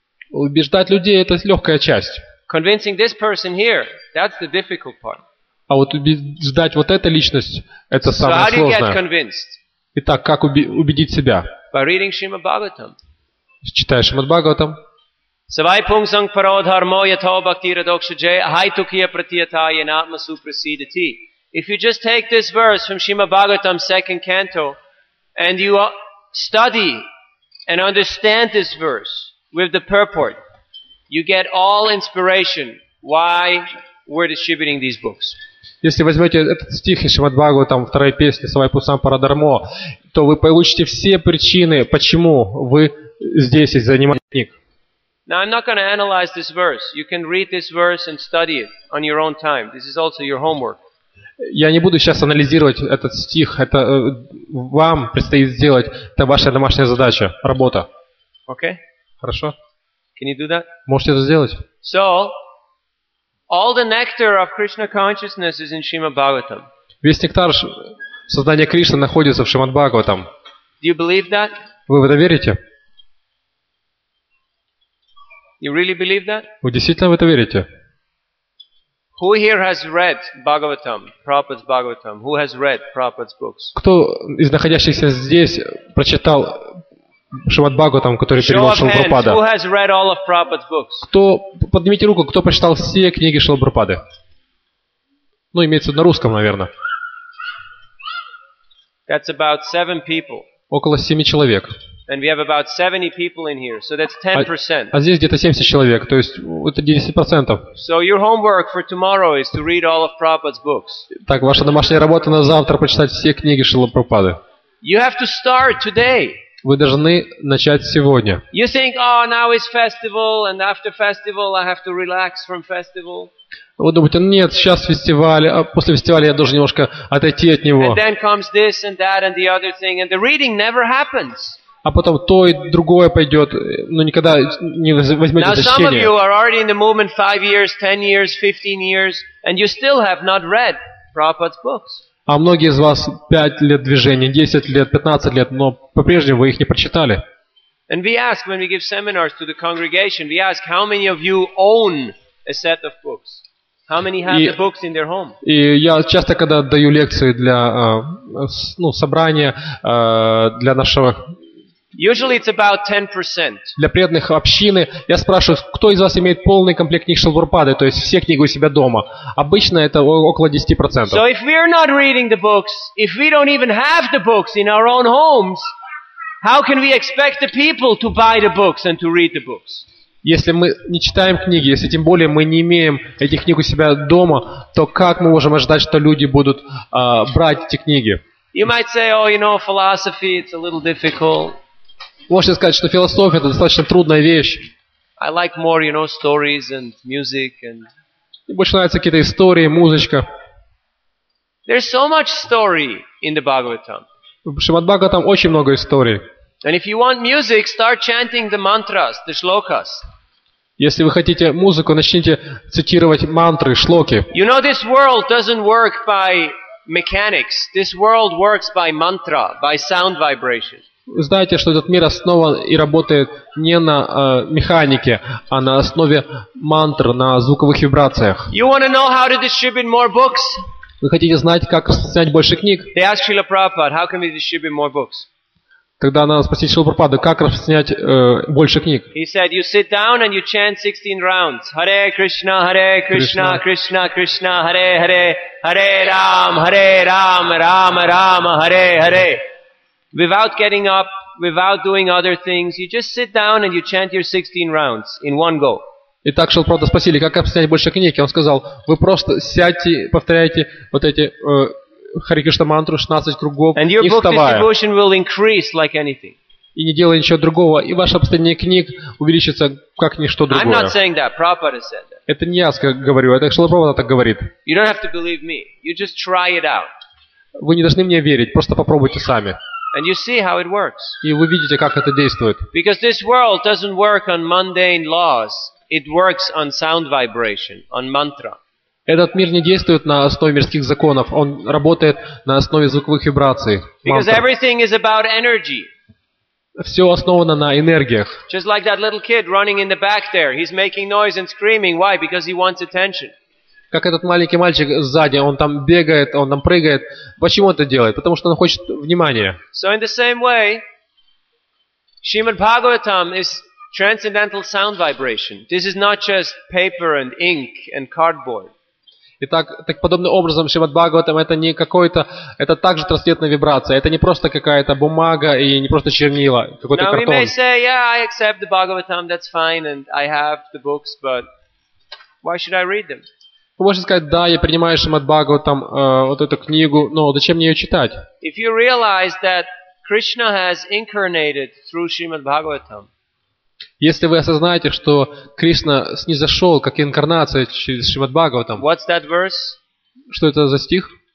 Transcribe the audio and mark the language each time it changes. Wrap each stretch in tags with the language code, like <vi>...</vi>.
<ru>Убеждать людей — это легкая часть.</ru> <en>Convincing this person here — that's the difficult part.</en> <ru>А вот убеждать вот эту личность — это самое сложное. Итак, как убедить себя?</ru> <en>By reading Shrimad Bhagavatam.</en> <ru>Читаешь Шримад Бхагаватам.</ru> <sa>Савай пунг санг паро дхармо ято бхакти радокша джей ахай тукия пратията янатма супрасидати.</sa> <en>If you just take this verse from Shrimad Bhagavatam, second canto, and you study and understand this verse with the purport, you get all inspiration why we're distributing these books.</en> <ru>Если возьмете этот стих из Шримад Бхагаватам, вторая песня</ru> <sa>«Савай пусам парадармо»,</sa> <ru>то вы получите все причины, почему вы здесь и занимаетесь книг.</ru> <en>Now I'm not going to analyze this verse. You can read this verse and study it on your own time. This is also your homework.</en> <ru>Я не буду сейчас анализировать этот стих. Это вам предстоит сделать. Это ваша домашняя задача, работа.</ru> <en>Okay.</en> <ru>Хорошо.</ru> <en>Can you do that?</en> <ru>Можете это сделать.</ru> <en>So, all the nectar of Krishna consciousness is in Shrimad Bhagavatam.</en> <ru>Весь нектар сознания Кришны находится в Шримад Бхагаватам.</ru> <en>Do you believe that?</en> <ru>Вы в это верите?</ru> <en>You really believe that?</en> <ru>Вы действительно в это верите?</ru> <en>Who here has read Bhagavatam, Prabhupada's Bhagavatam? Who has read Prabhupada's books?</en> <ru>Кто из находящихся здесь прочитал Шримад Бхагаватам, который перевел Шрила Прабхупада?</ru> <en>Who has read all of Prabhupada's books?</en> <ru>Кто, поднимите руку, кто прочитал все книги Шрила Прабхупады? Ну, имеется в виду на русском, наверное.</ru> <en>That's about 7 people.</en> <ru>Около 7 человек.</ru> <en>And we have about 70 people in here, so that's 10%.</en> <ru>А здесь где-то 70 человек, то есть это 10%.</ru> <en>So your homework for tomorrow is to read all of Prabhupada's books.</en> <ru>Так, ваша домашняя работа на завтра — прочитать все книги Шрила Прабхупады.</ru> <en>You have to start today.</en> <ru>Вы должны начать сегодня.</ru> <en>You think, oh, now it's festival, and after festival I have to relax from festival.</en> <ru>Вы думаете, нет, сейчас фестиваль, а после фестиваля я должен немножко отойти от него.</ru> <en>And then comes this and that and the other thing, and the reading never happens.</en> <ru>А потом то и другое пойдет, но никогда не возьмете это чтение.</ru> <en>Now some of you are already in the movement 5 years, 10 years, 15 years, and you still have not read Prabhupada's books.</en> <ru>А многие из вас 5 лет движения, 10 лет, 15 лет, но по-прежнему вы их не прочитали.</ru> <en>And we ask when we give seminars to the congregation, we ask how many of you own a set of books? How many have the books in their home?</en> <ru>И я часто, когда даю лекции для собрания для нашего.</ru> <en>Usually it's about 10%.</en> <ru>Для преданных общины я спрашиваю, кто из вас имеет полный комплект книг Шрилы Прабхупады, то есть все книги у себя дома. Обычно это около 10%.</ru> <en>So if we're not reading the books, if we don't even have the books in our own homes, how can we expect the people to buy the books and to read the books?</en> <ru>Если мы не читаем книги, если тем более мы не имеем этих книг у себя дома, то как мы можем ожидать, что люди будут брать эти книги?</ru> <en>You might say, oh, you know, philosophy, it's a little difficult.</en> <ru>Можете сказать, что философия — это достаточно трудная вещь.</ru> <en>I like more, you know, stories and music and...</en> <ru>Мне больше нравятся какие-то истории, музычка.</ru> <en>There's so much story in the Bhagavatam.</en> <ru>В Шримад-Бхагаватам очень много историй.</ru> <en>And if you want music, start chanting the mantras, the shlokas.</en> <ru>Если вы хотите музыку, начните цитировать мантры, шлоки.</ru> <en>You know, this world doesn't work by mechanics. This world works by mantra, by sound vibration.</en> <ru>Вы знаете, что этот мир основан и работает не на механике, а на основе мантр, на звуковых вибрациях.</ru> <en>You want to know how to distribute more books?</en> <ru>Вы хотите знать, как снять больше книг?</ru> <en>They ask Srila Prabhupada, how can we distribute more books?</en> <ru>Тогда надо спросить Шрилу Прабхупаду, как распространять больше книг.</ru> <en>He said, you sit down and you chant 16 rounds.</en> <sa>Hare Krishna, Hare Krishna, Krishna Krishna, Hare Hare, Hare Ram, Hare Ram, Ram Ram, Hare Hare.</sa> <en>Without getting up, without doing other things, you just sit down and you chant your 16 rounds in one go.</en> <ru>Итак, Шрилу Прабхупаду спросили, как распространять больше книг. И он сказал, вы просто сядьте, повторяйте вот эти... Харе Кришна мантру 16 кругов,</ru> <en>and your book</en> <ru>не вставая.</ru> <en>Distribution will increase like anything.</en> <ru>И не делая ничего другого, и ваше обстояние книг увеличится как ничто другое.</ru> <en>I'm not saying that. Prabhupada said that.</en> <ru>Это не я говорю, это Шрила Прабхупада так говорит.</ru> <en>You don't have to believe me. You just try it out.</en> <ru>Вы не должны мне верить, просто попробуйте сами.</ru> <en>And you see how it works.</en> <ru>И вы видите, как это действует.</ru> <en>Because this world doesn't work on mundane laws. It works on sound vibration, on mantra.</en> <ru>Этот мир не действует на основе мирских законов, он работает на основе звуковых вибраций.</ru> <en>Because everything is about energy.</en> <ru>Все основано на энергиях.</ru> <en>Just like that little kid running in the back there, he's making noise and screaming. Why? Because he wants attention.</en> <ru>Как этот маленький мальчик сзади, он там бегает, он там прыгает. Почему он это делает? Потому что он хочет внимания.</ru> <en>So in the same way, Srimad Bhagavatam is transcendental sound vibration. This is not just paper and ink and cardboard.</en> <ru>Итак, так подобным образом Шримад-Бхагаватам это не какой-то, это также трансцендентная вибрация, это не просто какая-то бумага и не просто чернила, какой-то картон.</ru> <en>Now you may say, yeah, I accept the Bhagavatam, that's fine, and I have the books, but why should I read them?</en> <ru>Вы можете сказать, да, я принимаю Шримад-Бхагаватам вот эту книгу, но зачем мне ее читать?</ru> <en>If you realize that Krishna has incarnated through Shrimad-Bhagavatam.</en> <ru>Если вы осознаете, что Кришна снизошел как инкарнация через Шримад-Бхагаватам,</ru> <en>what's that verse?</en> <ru>Что это за стих?</ru>